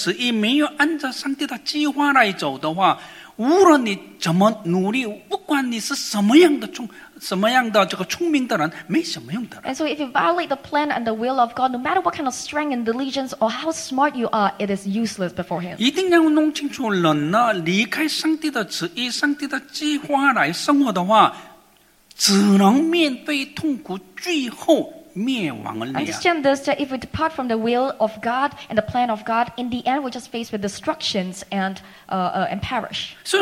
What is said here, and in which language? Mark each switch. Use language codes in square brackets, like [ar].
[zh] 如果你违背上帝的旨意、违背上帝的计划，你没有按着上帝的时间，没有按着上帝的旨意，没有按着上帝的计划来走的话。无论你怎么努力，不管你是什么样的聪明的人，没什么用的。 [en] And so if you violate the plan and the will of God, no matter what kind of strength and diligence or how smart you are, it is useless before Him. [zh] 一定要弄清楚人呢，离开上帝的旨意、上帝的计划来生活的话，只能面对痛苦，最后。 [en] Understand this, that if we depart from the will of God and the plan of God, in the end, we're just faced with destructions and perish.